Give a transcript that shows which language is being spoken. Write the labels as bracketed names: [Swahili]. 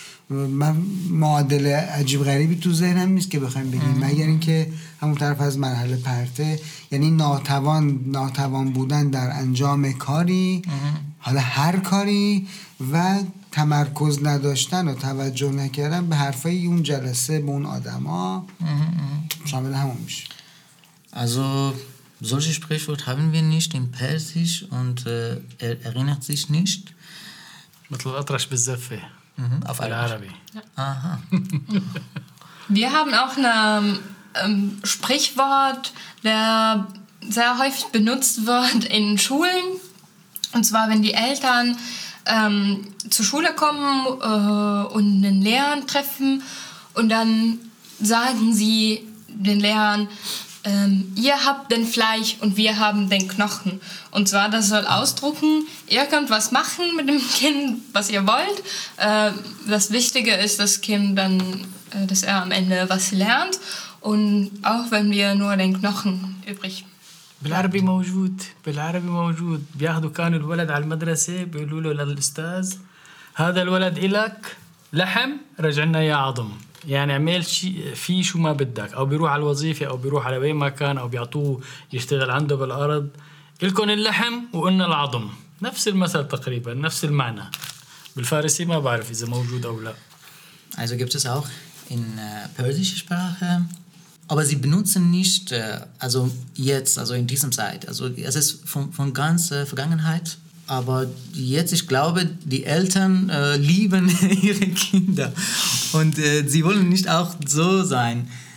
[Persian] من معادله عجیب غریبی تو ذهنم نیست که بخوایم بگیم مگر اینکه همون طرف از مرحله پرته یعنی ناتوان بودن در انجام کاری حالا هر کاری و تمرکز نداشتن و توجه نکردن به حرفای اون جلسه به اون آدما شامل همون میشه [German] also solche Sprichwort haben wir nicht in Persisch und erinnert sich nicht [Arabic] مثل اطرش بالزفه [German] auf Arabi. Ja. Aha. Wir haben auch ein Sprichwort, der sehr häufig benutzt wird in Schulen. Und zwar, wenn die Eltern zur Schule kommen und einen Lehrer treffen und dann sagen sie den Lehrern, ihr habt den Fleisch und wir haben den Knochen. Und zwar, das soll ausdrucken, ihr könnt was machen mit dem Kind, was ihr wollt. Das Wichtige ist, dass Kind dann, dass er am Ende was lernt. Und auch wenn wir nur den Knochen übrig haben. [Arabic] بالعربي موجود بالعربي موجود بياخذوا كانوا الولد على المدرسة بيقولوا له للأستاذ هذا الولد إلك لحم رجعنا يا عظم يعني عمل شيء في شو ما بدك أو بيروح على الوظيفة أو بيروح على وين ما كان أو بيعطوه يشتغل عنده بالأرض إلكن اللحم وإن العظم نفس المثل تقريبا نفس المعنى بالفارسي ما بعرف إذا موجود أو لا [German] also gibt es auch in persische Sprache Aber sie benutzen nicht, also jetzt, also in diesem Zeit, also es ist von ganz Vergangenheit, aber jetzt, ich glaube, die Eltern lieben ihre Kinder und sie wollen nicht auch so sein.